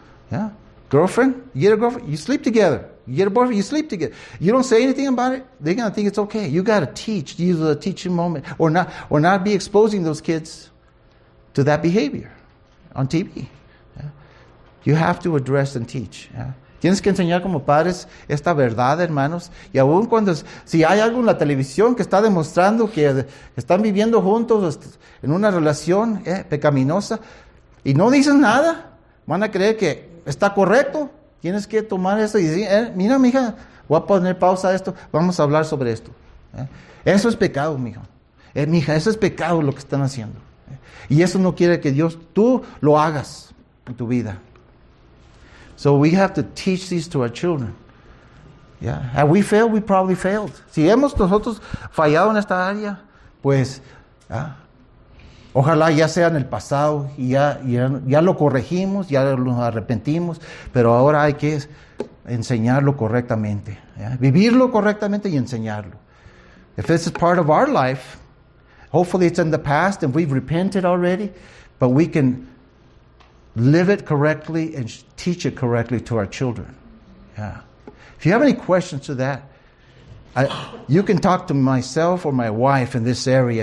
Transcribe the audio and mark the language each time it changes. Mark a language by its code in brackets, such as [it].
[en] Yeah. Girlfriend, you get a girlfriend, you sleep together. You get a boyfriend, you sleep together. You don't say anything about it, they're going to think it's okay. You got to teach, use a teaching moment, or not be exposing those kids to that behavior on TV. Yeah. You have to address and teach. Yeah. [es] Tienes que enseñar como padres esta verdad, hermanos. Y aun cuando, si hay algo en la televisión que está demostrando que están viviendo juntos en una relación pecaminosa, y no dices nada, van a creer que está correcto. Tienes que tomar eso y decir, mira, mija, voy a poner pausa a esto, vamos a hablar sobre esto. Eso es pecado, mijo. Mija, eso es pecado lo que están haciendo. Y eso no quiere que Dios, tú lo hagas en tu vida. [en] So we have to teach this to our children. Yeah. Have we failed? We probably failed. [es] Si hemos nosotros fallado en esta área, pues, ojalá ya sea en el pasado y ya lo corregimos, ya nos arrepentimos, pero ahora hay que enseñarlo correctamente. Yeah. Vivirlo correctamente y enseñarlo. [en] If this is part of our life, hopefully it's in the past and we've repented already, but we can live it correctly and teach it correctly to our children. Yeah. If you have any questions to that, you can talk to myself or my wife in this area.